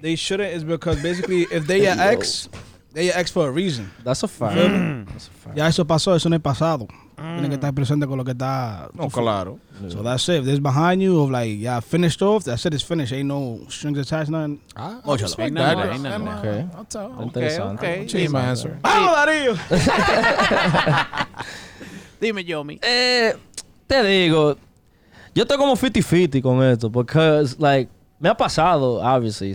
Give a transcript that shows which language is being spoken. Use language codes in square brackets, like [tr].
[en] they shouldn't is because basically if they your ex, they your ex for a reason. That's a fact. Mm. That's a [es] fact. Ya eso pasó, eso no es pasado. Tienen que estar presente con lo que está. No, claro. [en] So that's it. If there's behind you of like, yeah, finished off, that's it, it's finished. Ain't no strings attached, nothing. Ah, oh, just like that. Okay. I'll tell. Okay. Change my answer. I'm out of here. [es] Dime, Yomi. Te digo, yo estoy como 50-50 con esto, because, like, me ha pasado, obviously.